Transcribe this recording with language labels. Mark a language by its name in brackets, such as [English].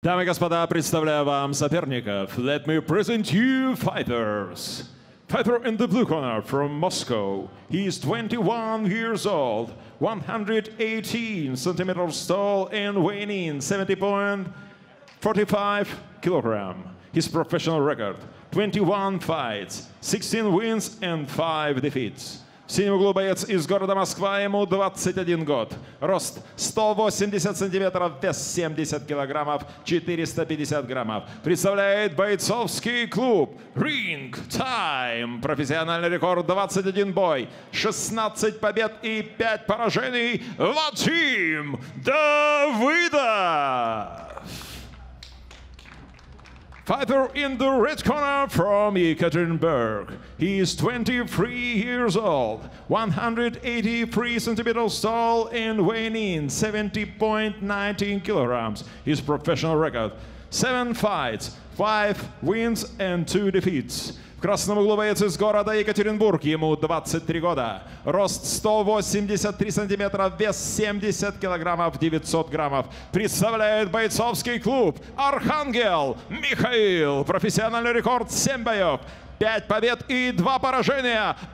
[Russian] Дамы и господа, представляю вам соперников. [English] Let me present you fighters. Fighter in the blue corner from Moscow. He is 21 years old, 118 centimeters tall and weighing in 70.45 kilogram. His professional record: 21 fights, 16 wins and 5 defeats. [Russian] Синий углу боец из города Москва, ему 21 год. Рост 180 сантиметров, вес 70 килограммов, 450 граммов. Представляет бойцовский клуб Ring Time. Профессиональный рекорд 21 бой, 16 побед и 5 поражений. Вадим Давыдов! [English] Fighter in the red corner from Ekaterinburg. He is 23 years old, 183 centimeters tall and weighing in 70.19 kilograms. His professional record: 7 fights, 5 wins and 2 defeats. [Russian] В красном углу боец из города Екатеринбург, ему 23 года. Рост 183 сантиметра, вес 70 килограммов, 900 граммов. Представляет бойцовский клуб «Архангел» Михаил. Профессиональный рекорд 7 боев, 5 побед и 2 поражения.